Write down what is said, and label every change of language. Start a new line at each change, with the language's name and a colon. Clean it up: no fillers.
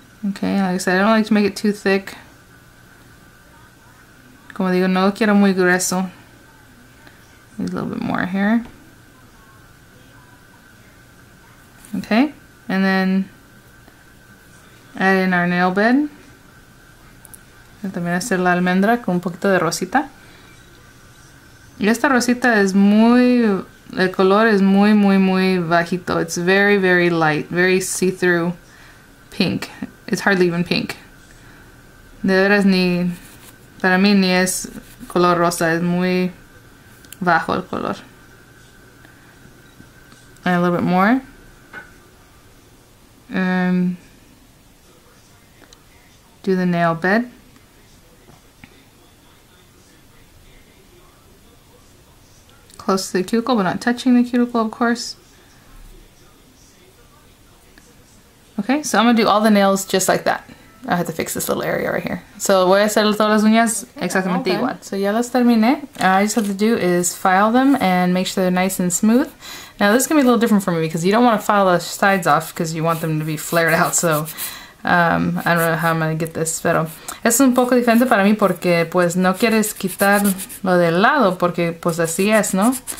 English: Okay, like I said, I don't like to make it too thick.
Spanish: Como digo, no quiero muy grueso.
English: Need a little bit more here. Okay, and then add in our nail bed.
Spanish: También hacer la almendra con un poquito de rosita. Y esta rosita es muy, el color es muy, muy, muy bajito.
English: It's very, very light, very see-through pink. It's hardly even pink.
Spanish: De veras ni Para mí ni es color rosa, es muy bajo el color.
English: And a little bit more. Do the nail bed. Close to the cuticle, but not touching the cuticle, of course. Okay, so I'm gonna do all the nails just like that. I have to fix this little area right here.
Spanish: So voy a hacer todas las uñas exactamente igual. So ya las terminé.
English: All I just have to do is file them and make sure they're nice and smooth. Now this is gonna be a little different for me because you don't want to file the sides off because you want them to be flared out. So I don't know how I'm gonna get this,
Spanish: pero es un poco diferente para mí porque pues no quieres quitar lo del lado porque pues así es, ¿no?